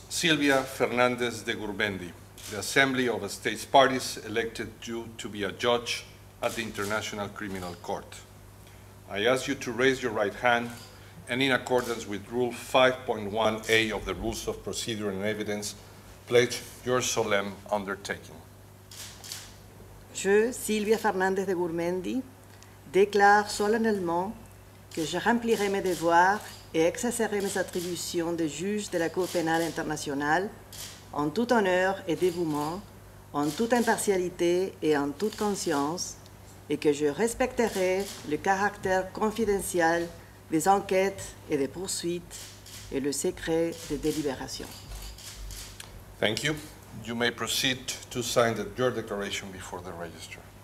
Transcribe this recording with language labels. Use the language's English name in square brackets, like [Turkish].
[English] Silvia Fernández de Gurmendi, the Assembly of the States Parties elected you to be a judge at the International Criminal Court. I ask you to raise your right hand and, in accordance with Rule 5.1A of the Rules of Procedure and Evidence, pledge your solemn undertaking. [French] Je, Silvia Fernández de Gurmendi, déclare solennellement que je remplirai mes devoirs et exercerai mes attributions de juge de la Cour pénale internationale en tout honneur et dévouement, en toute impartialité et en toute conscience, et que je respecterai le caractère confidentiel des enquêtes et des poursuites et le secret des délibérations. [English] Thank you. You may proceed to sign your declaration before the register.